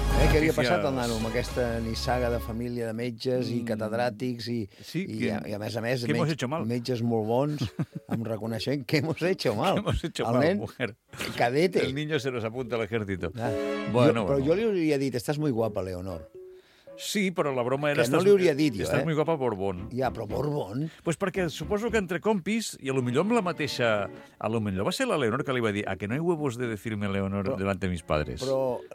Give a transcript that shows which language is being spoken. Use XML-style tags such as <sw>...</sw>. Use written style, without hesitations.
<ca>Què havia passat al nano amb aquesta nissaga de família de metges i catedràtics i, sí, i, que, i a més a més, metges molt bons, em reconeixent que</ca> <es>hemos hecho mal. Que hemos hecho mal, mujer. Cadete. El niño se nos apunta a l'ejército. Ah. Bueno,</es> <ca>però bueno. Jo li hauria dit, estàs</ca> <es>muy guapa,</es> <ca>Leonor. Sí, però la broma era... Que no li hauria dit jo, estàs</ca> <es>muy guapa,</es> <ca>Borbón. Ja, però Borbón... Pues perquè suposo que entre compis, i a lo millor amb la mateixa... A lo millor va ser la Leonor que li va dir a que no hi</ca> <es>huevos de decirme Leonor</es> <ca>però,</ca> <es>delante de mis padres.</es> <ca>Però...</ca>